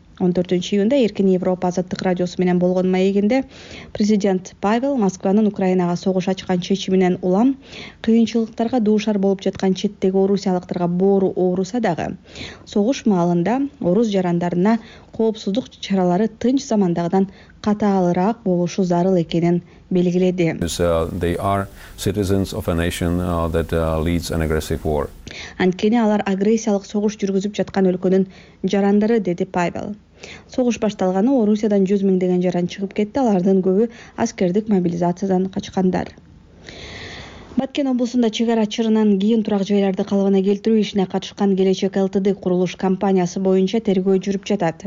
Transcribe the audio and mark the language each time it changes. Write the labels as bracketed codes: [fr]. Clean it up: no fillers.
[ky] 14 июнда Эркин Европа Азаттык радиосу менен болгон маегинде президент Павел Москванын Украинага согуш ачкан чечиминен улам кыйынчылыктарга дуушар болуп жаткан четтеги орусиялыктарга боору ооруса дагы согуш маалында орус жарандарына коопсуздук чаралары тынч замандагыдан катаалыраак болушу зарыл экенин белгиледи. [en] They are citizens of a nation that leads an aggressive war. [ky] Анткени алар агрессиялык согуш жүргүзүп жаткан өлкөнүн жарандары, деди Павел. Согуш башталганы Орусиядан 100 миң деген жаран чыгып кетти, алардын көбү аскердик мобилизациядан качкандар. Баткен облусунда чек ара чырынан кийин турак жайларды калыбына келтирүү ишине катышкан Келечек ЛТД курулуш компаниясы боюнча тергөө жүрүп жатат.